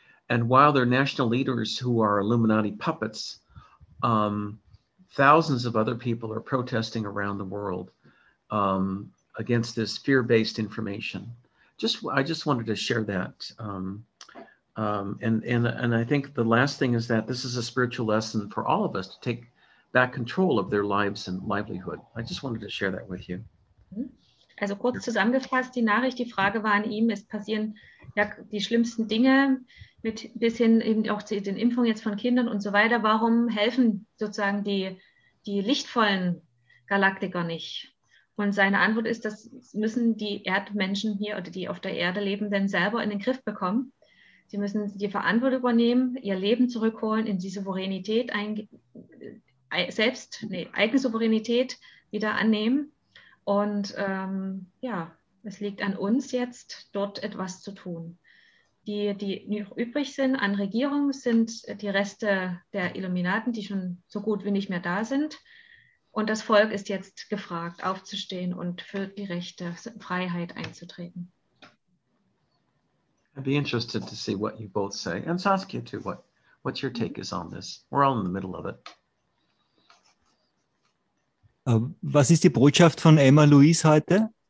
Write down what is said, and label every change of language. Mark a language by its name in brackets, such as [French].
[English] And while they're national leaders who are Illuminati puppets, thousands of other people are protesting around the world against this fear-based information. I just wanted to share that. And I think the last thing is that this is a spiritual lesson for all of us to take back control of their lives and livelihood. I just wanted to share that with you. [German] Also kurz zusammengefasst, die Nachricht, die Frage war an ihm, es passieren ja die schlimmsten Dinge mit bis hin eben auch zu den Impfungen jetzt von Kindern und so weiter. Warum helfen sozusagen die lichtvollen Galaktiker nicht? Und seine Antwort ist, das müssen die Erdmenschen hier oder die auf der Erde lebenden selber in den Griff bekommen. Sie müssen die Verantwortung übernehmen, ihr Leben zurückholen, in die Souveränität, eigene Souveränität wieder annehmen. Und es liegt an uns jetzt, dort etwas zu tun. Die noch übrig sind an Regierung, sind die Reste der Illuminaten, die schon so gut wie nicht mehr da sind. Und das Volk ist jetzt gefragt, aufzustehen und für die Rechte, Freiheit einzutreten. [English] I'd be interested to see what you both say. And Saskia too, what your take is on this. We're all in the middle of it. [German] Was ist die Botschaft von Emma Louise heute?